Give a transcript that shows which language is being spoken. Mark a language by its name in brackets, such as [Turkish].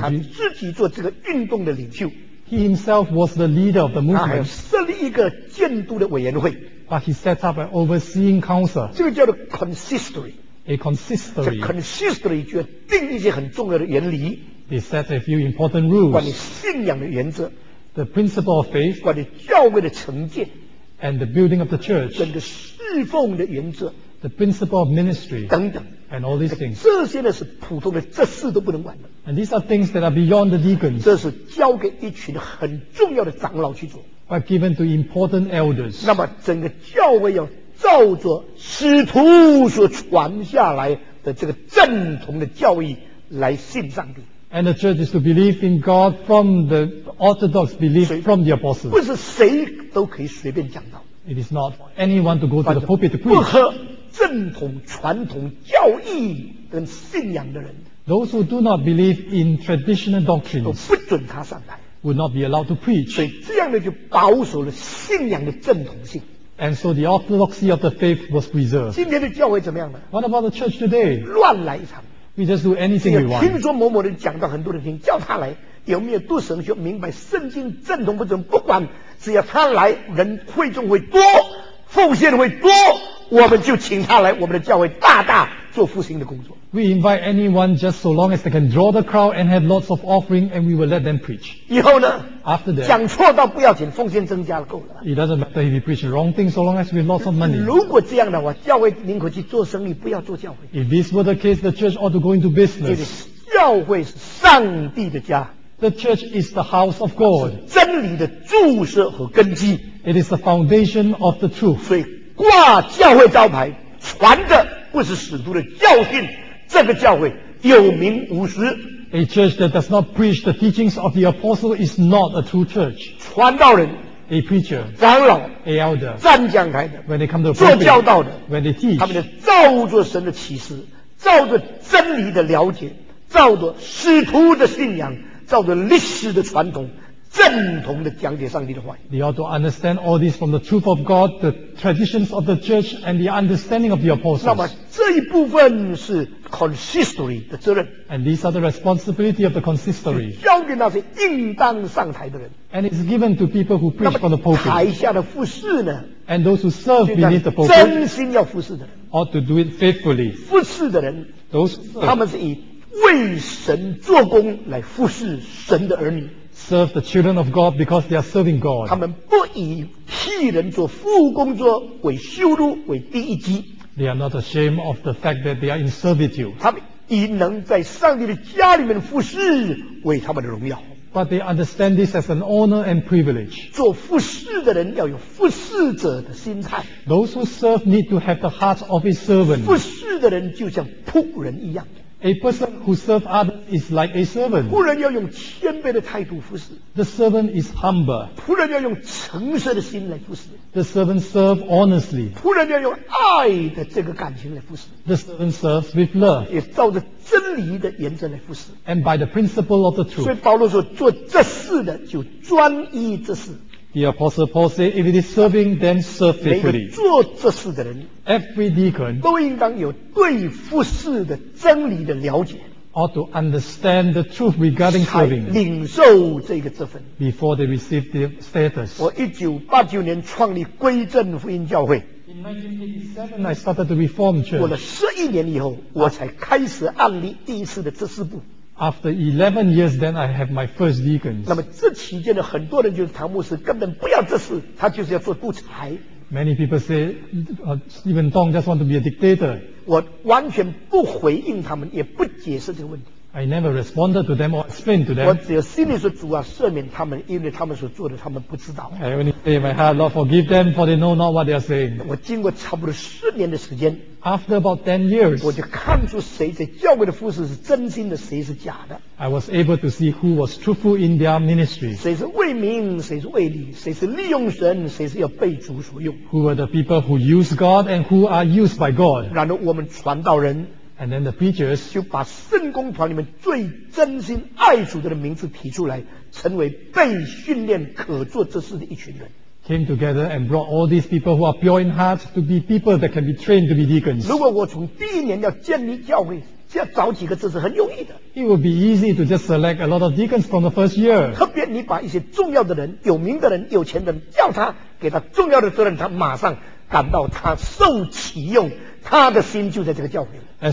[Chinese] 他自己做这个运动的领袖。 [English] He himself was the leader of the movement. [Chinese] 他还设立一个监督的委员会。 [English] But he set up an overseeing council. [Chinese] 这个叫做 consistory. [English] A consistory. [Chinese] 这 consistory 就要定一些很重要的原理。 [English] They set a few important rules. [Chinese] 关于信仰的原则。 [English] The principle of faith. [Chinese] 关于教会的成建。 [English] And the building of the church. [Chinese] 整个侍奉的原则。 [English] The principle of ministry. [Chinese] 等等。 [English] And all these things. [Chinese] 这些呢是普通的执事都不能管的。 [English] And these are things that are beyond the deacons. [Chinese] 这是交给一群很重要的长老去做。 [English] But given to important elders. [Chinese] 那么整个教会要照着使徒所传下来的这个正统的教义来信上帝。 [English] And the church is to believe in God from the orthodox belief from the apostles. [Chinese] 不是谁都可以随便讲道。 [English] It is not anyone to go to the pulpit to preach. [Chinese] 正统传统教义跟信仰的人 [English] Those who do not believe in traditional doctrines [Chinese] 都不准他上来 [English] Would not be allowed to preach [Chinese] 所以这样的就保守了信仰的正统性 [English] And so the orthodoxy of the faith was preserved [Chinese] 今天的教会怎么样呢 [English] What about the church today? [Chinese] 乱来一场 [English] We just do anything we want [Chinese] 听说某某人讲到很多人听叫他来有没有读神学明白圣经正统不准不管只要他来人会众会多奉献会多我们就请他来我们的教会大大做复兴的工作。 [English] We invite anyone just so long as they can draw the crowd and have lots of offering, and we will let them preach. [Chinese] 以后呢 [English] ？After that， [Chinese] 讲错倒不要紧，奉献增加了够了。 [English] It doesn't matter if you preach the wrong thing, so long as we have lots of money. [Chinese] 如果这样的话，教会宁可去做生意，不要做教会。 [English] If this were the case, the church ought to go into business. [Chinese] 教会是上帝的家。 [English] The church is the house of God. [Chinese] 是真理的注射和根基。 [English] It is the foundation of the truth. [Chinese] 所以挂教会招牌，传的不是使徒的教训，这个教会有名无实。 [English] A church that does not preach the teachings of the apostle is not a true church. [Chinese] 传道人 [English] ，A preacher， [Chinese] 长老 [English] ，A elder， [Chinese] 站讲台的 [English] ，When they come to preach， [Chinese] 做教导的 [English] ，When they teach， [Chinese] 他们的照着神的启示，照着真理的了解，照着使徒的信仰，照着历史的传统，正统的讲解上帝的话语。 [English] They ought to understand all this from the truth of God, the traditions of the church, and the understanding of the apostles. [Chinese] 那么这一部分是 consistory 的责任。 [English] And these are the responsibility of the consistory. [Chinese] 交给那些应当上台的人。 [English] And it's given to people who preach from the pulpit. [Chinese] 台下的服事呢 [English] ？And those who serve beneath the pulpit. [Chinese] 真心要服事的人。 [English] Ought to do it faithfully. [Chinese] 服事的人 [English] ，those [Chinese] 他们是以为神做工来服事神的儿女。 [English] Serve the children of God because they are serving God. [Chinese] 他们不以替人做服务工作为羞辱为第一级。 [English] They are not ashamed of the fact that they are in servitude. [Chinese] 他们以能在上帝的家里面服事为他们的荣耀。 [English] But they understand this as an honor and privilege. [Chinese] 做服事的人要有服事者的心态。 [English] Those who serve need to have the heart of a servant. [Chinese] 服事的人就像仆人一样。 [English] A person who serves others is like a servant. [Chinese] 仆人要用谦卑的态度服侍。 [English] The servant is humble. [Chinese] 仆人要用诚实的心来服侍。 [English] The servant serves honestly. [Chinese] 仆人要用爱的这个感情来服侍。 [English] The servant serves with love. [Chinese] 也照着真理的原则来服侍。 [English] And by the principle of the truth. [Chinese] 所以保罗说，做这事的就专一这事。 [English] The apostle Paul said, if it is serving, then serve faithfully. [Chinese] 每个做这事的人 [English] every deacon [Chinese] 都应当有对服事的真理的了解 [English] ought to understand the truth regarding serving [Chinese] 才领受这个职分 [English] before they receive the status. [Chinese] 我1989年创立归正福音教会 [English] In 1987, I started the Reformed Church. [Chinese] 过了11年以后我才开始案例第一次的执事部。 [English] After 11 years, then I have my first deacons. [Chinese] 那么这期间的很多人就是唐牧师根本不要这事，他就是要做独裁。 [English] Many people say, Stephen Tong just want to be a dictator. [Chinese] 我完全不回应他们，也不解释这个问题。 [English] I never responded to them or explained to them. [Chinese] 我只有心里说主啊，赦免他们，因为他们所做的他们不知道。 [English] I only say in my heart, Lord, forgive them, for they know not what they are saying. [Chinese] 我经过差不多十年的时间。 [English] After about 10 years, [Chinese] 我就看出谁在教会的服事是真心的，谁是假的。 [English] I was able to see who was truthful in their ministry. [Chinese] 谁是为民，谁是为利，谁是利用神，谁是要被主所用。 [English] Who were the people who use God and who are used by God? [Chinese] 然后我们传道人。 [English] And then the preachers [Chinese] 就把圣公团里面最真心爱主的名字提出来，成为被训练可做这事的一群人。 [English] Came together and brought all these people who are pure in heart to be people that can be trained to be deacons. [Chinese] 如果我从第一年要建立教会，要找几个执事很容易的。 [English] It would be easy to just select a lot of deacons from the first year. [Chinese] 特别你把一些重要的人、有名的人、有钱的人叫他，给他重要的责任，他马上感到他受启用。他的心就在这个教会了。